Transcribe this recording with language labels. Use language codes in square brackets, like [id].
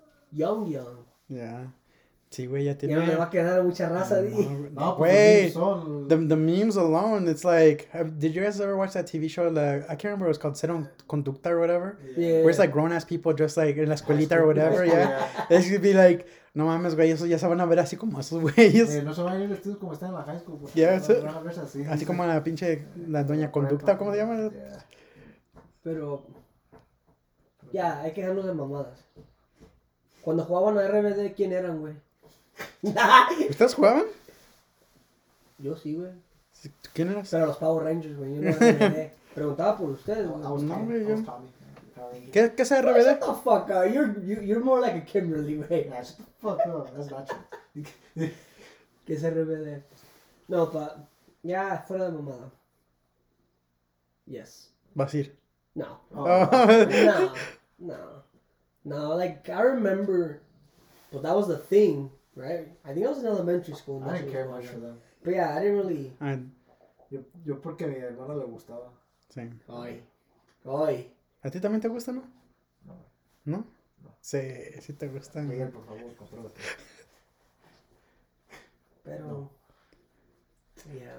[en] Young. [es] Yeah. Sí, güey, ya tiene. Ya me va a quedar mucha raza, di. [en] No, wait. The memes alone, it's like, did you guys ever watch that TV show? Like, I can't remember, it was called Cero Conducta or whatever. Yeah. Where it's like grown-ass people dressed like in la escuelita or whatever, yeah. It's going to be like, [es] no mames, güey, esos ya se van a ver así como esos güeyes. No se van a ir vestidos como están en la high school. Ya, se van a verse así. Así como la pinche, la doña conducta, ¿cómo se llama? [en] Yeah. [es] Pero, ya, hay que dejarnos de mamadas. Cuando jugaban a RBD, ¿quién eran, güey? ¿Ustedes jugaban? Yo sí, güey. ¿Quién eras? Pero los Power Rangers, güey, yo no era RBD. Preguntaba por ustedes, güey. No, güey, yo. ¿Qué es RBD? [en] Shut the fuck up. You're more like a Kimberly, güey. Shut the fuck up. That's not true. [es] ¿Qué es RBD? No, pa. Ya, fuera de mamada. Yes. ¿Vas a ir? No. Oh. No. [en] Like, I remember, but that was the thing, right? I think I was in elementary school. I didn't care much for them. But yeah, I didn't really. [es] Yo porque a mi hermano le gustaba. [en] Same. Oy. Oy. [es] ¿A ti también te gusta, no? No. ¿No? No. Sí te gustan. Miguel, por favor, contrólate. Pero. No. [en] Yeah.